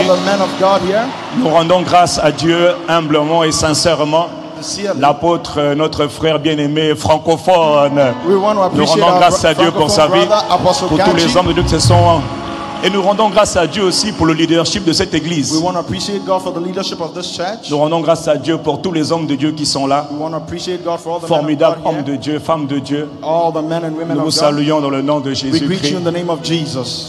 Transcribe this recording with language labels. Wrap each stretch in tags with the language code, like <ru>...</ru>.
<en>All the men of God here.</en> <fr>Nous rendons grâce à Dieu humblement et sincèrement. L'apôtre, notre frère bien-aimé, francophone. Nous rendons grâce à Dieu pour sa vie,</fr> <en>brother,</en> <fr>pour tous les hommes de Dieu qui sont là. Et nous rendons grâce à Dieu aussi pour le leadership de cette église.</fr> <en>We want to appreciate God for the leadership of this church.</en> <fr>Nous rendons grâce à Dieu pour tous les hommes de Dieu qui sont là.</fr> <en>We want to appreciate God for all the</en> <fr>formidable hommes de Dieu, femmes de Dieu.</fr> <en>All the men and women</en> <fr>nous</fr> <en>of</en> <fr>vous saluons</fr> <en>God.</en> <fr>Dans le nom de Jésus-Christ.</fr> <en>We greet you in the name of Jesus.</en>